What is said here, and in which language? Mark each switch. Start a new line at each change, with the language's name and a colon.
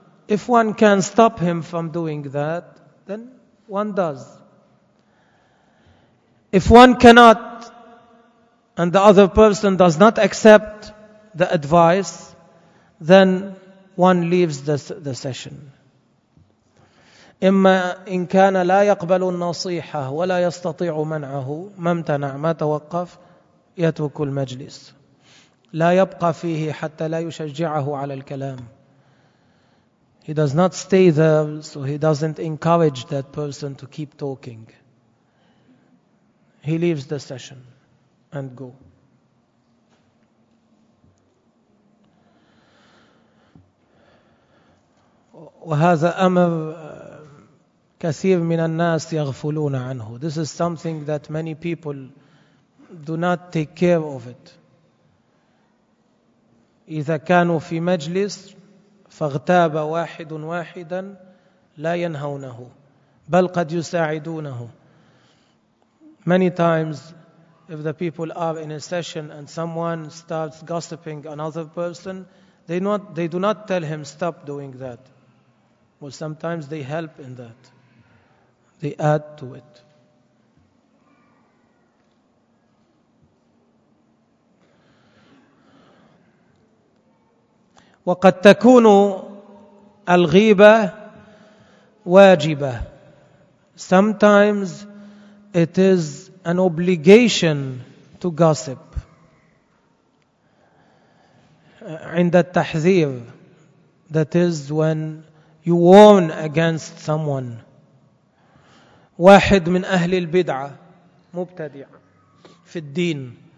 English: If one can stop him from doing that, then one does. If one cannot, and the other person does not accept the advice, then one leaves the session.
Arabic: إما إن كان لا يقبل النصيحة ولا يستطيع منعه ما امتنع ما توقف يترك المجلس لا يبقى فيه حتى لا يشجعه على الكلام.
English: He does not stay there, so he doesn't encourage that person to keep talking. He leaves the session and go.
Arabic: وهذا أمر كثير من الناس يغفلون عنه.
English: This is something that many people do not take care of it.
Arabic: إذا كانوا في مجلس فاغتاب واحد واحدا لا ينهونه بل قد يساعدونه.
English: Many times if the people are in a session and someone starts gossiping another person, they do not tell him stop doing that. Well, sometimes they help in that. They add to it.
Arabic: وقد تكون الغيبة واجبة.
English: Sometimes it is an obligation to gossip.
Arabic: عند التحذير.
English: That is when you warn against someone.
Arabic: واحد من أهل البدعة مبتدع في الدين.